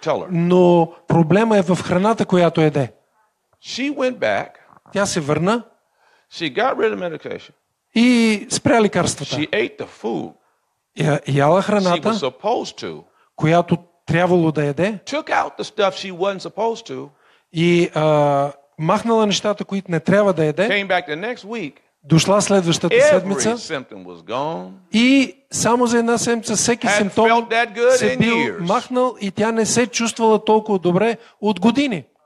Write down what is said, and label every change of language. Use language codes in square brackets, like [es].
[bg] Но проблема е в храната, която еде. [en] She went back. [bg] Тя се върна. [en] She got rid of medication. [bg] И спря лекарствата. [en] She ate the food. [bg] Яла храната, [en] she was supposed to. [bg] Която трябвало да яде. [en] Took out the stuff she wasn't supposed to. [bg] И махнала нещата, които не трябва да яде. [en] Came back the next week. [bg] Дошла следващата седмица и само за една седмица всеки симптом се бил махнал и тя не се чувствала толкова добре от години.